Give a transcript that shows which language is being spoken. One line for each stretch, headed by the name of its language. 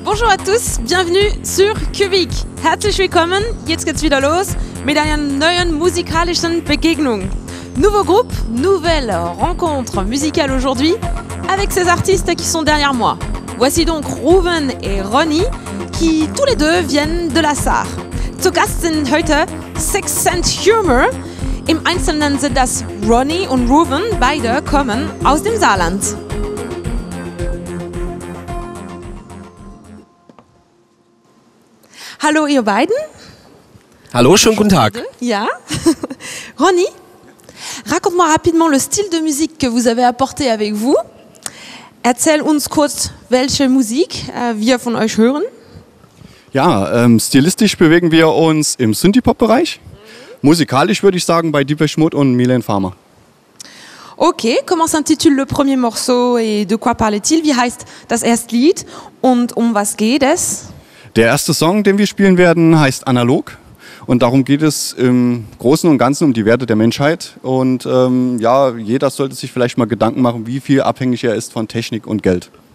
French: à tous, bienvenue sur Kubik.
German: Herzlich willkommen, jetzt geht's wieder los mit einer neuen musikalischen Begegnung.
French: Nouveau groupe, nouvelle rencontre musicale aujourd'hui avec ces artistes qui sont derrière moi. Voici donc Ruven et Ronnie qui tous les deux viennent de la Saar.
German: Zu Gast sind heute Six Cent Humor. Im Einzelnen sind das Ronnie und Ruven, beide kommen aus dem Saarland. Hallo ihr beiden. Hallo, schönen guten Tag. Ja.
French: Ronnie, raconte-moi rapidement le style de musique que vous avez apporté avec vous.
German: Erzähl uns kurz, welche Musik wir von euch hören. Ja, stilistisch bewegen wir uns im Synthie-Pop-Bereich. Musikalisch würde ich sagen bei Depeche Mode und Mylène Farmer.
French: Okay, comment s'intitule le premier morceau et de quoi parle-t-il?
German: Wie heißt das erste Lied und um was geht es? Der erste Song, den wir spielen werden, heißt Analog und darum geht es im Großen und Ganzen um die Werte der Menschheit und ja, jeder sollte sich vielleicht mal Gedanken machen, wie viel abhängig er ist von Technik und Geld.